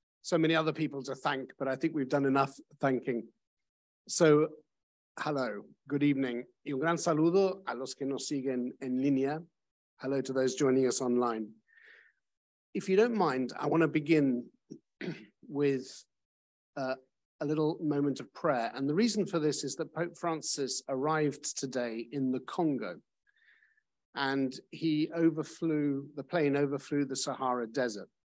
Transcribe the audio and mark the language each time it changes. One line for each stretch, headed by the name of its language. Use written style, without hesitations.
English: So many other people to thank, but I think we've done enough thanking. So, hello, good evening.
Spanish: Y un gran saludo a los que nos siguen en línea.
English: Hello to those joining us online. If you don't mind, I want to begin with a little moment of prayer. And the reason for this is that Pope Francis arrived today in the Congo, and he overflew the Sahara Desert.